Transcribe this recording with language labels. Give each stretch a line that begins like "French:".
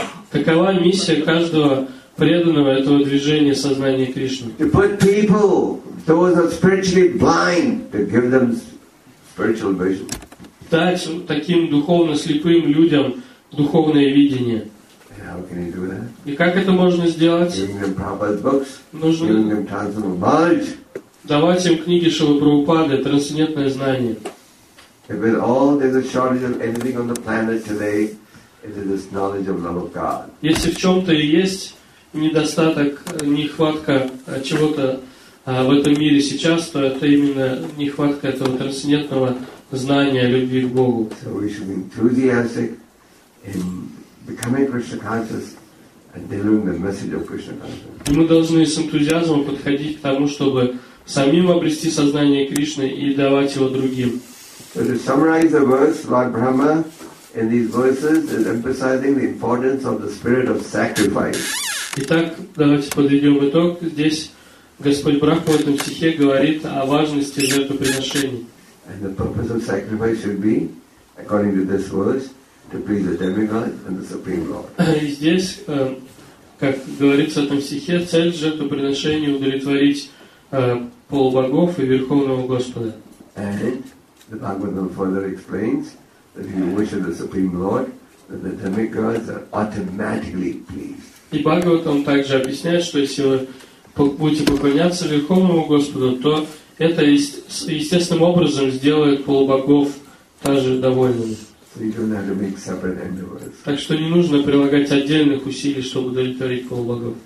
Russian: Такова миссия каждого преданного этого движения сознания Кришны.
English: To put people, those who are spiritually blind, to give them spiritual vision.
Russian: Дать таким духовно слепым людям духовное видение.
English: How can you do that?
Russian: И как это можно сделать?
English: Giving them Prabhupada's books, giving them transcendental knowledge.
Russian: Давать им книги Шрилы Прабхупады, трансцендентное знание.
English: If at all there's a shortage of anything on the planet today, it is this knowledge of love of God.
Russian: Если в чем-то и есть недостаток, нехватка чего-то в этом мире сейчас, то это именно нехватка этого трансцендентного знания любви к Богу.
English: So we should be enthusiastic in becoming Krishna conscious and delivering the message of Krishna consciousness.
Russian: И мы должны с энтузиазмом подходить к тому, чтобы самим обрести сознание Кришны и давать его другим.
English: So to summarize the verse, Lord Brahma in these verses is emphasizing the importance of the spirit of sacrifice.
Russian: Итак, давайте подведем итог. Здесь Господь Брахма в этом стихе говорит о важности жертвоприношений.
English: And the purpose of sacrifice should be, according to this verse, to please the demigod and the supreme lord.
Russian: И здесь, как говорится в этом стихе, цель жертвоприношения удовлетворить полубогов и Верховного Господа.
English: And the Bhagavad Gita further explains that if you worship the supreme lord, then the demigods are automatically pleased.
Russian: И Бхагаватам также объясняет, что если вы будете поклоняться Верховному Господу, то это естественным образом сделает полубогов также довольными.
English: So you don't have to make separate endeavors.
Russian: Так что не нужно прилагать отдельных усилий, чтобы удовлетворить полубогов.